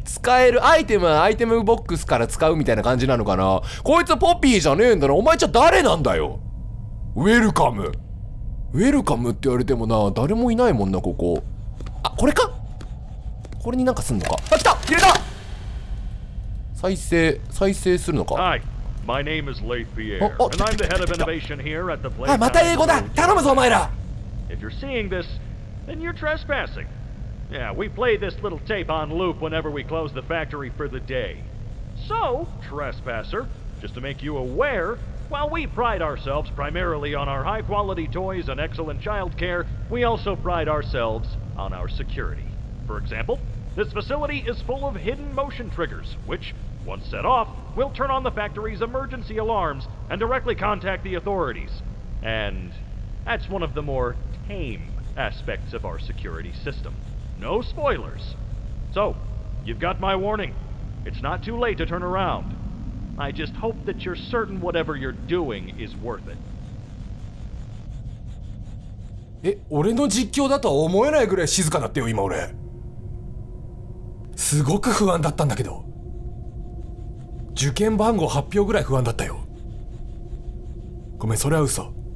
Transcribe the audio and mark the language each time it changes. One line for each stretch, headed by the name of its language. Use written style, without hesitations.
Japanese: 使えるアイテムはアイテムボックスから使うみたいな感じなのかな。こいつポピーじゃねえんだな。お前ちゃ誰なんだよ。ウェルカム。ウェルカムって言われてもな、誰もいないもんな、ここ。あ、これか？これになんかすんのか。あ、来た！入れた！再生するのか。はい。
English: My name is Leigh Pierre, and I'm the head of innovation here at the place.
Japanese: あ、また英語だ！頼むぞ、お前ら！
English: If you're seeing this, then you're trespassing. Yeah, we play this little tape on loop whenever we close the factory for the day. So, trespasser, just to make you aware, while we pride ourselves primarily on our high-quality toys and excellent childcare, we also pride ourselves on our security. For example, this facility is full of hidden motion triggers, which, once set off, will turn on the factory's emergency alarms and directly contact the authorities. And That's one of the more tame aspects of our security system. No spoilers. So, you've got my warning. It's not too late to turn around. I just hope that you're certain whatever you're doing is worth it.
Japanese: え、俺の実況だとは思えないぐらい静かだったよ、今俺。すごく不安だったんだけど。受験番号発表ぐらい不安だったよ。ごめん、それは嘘。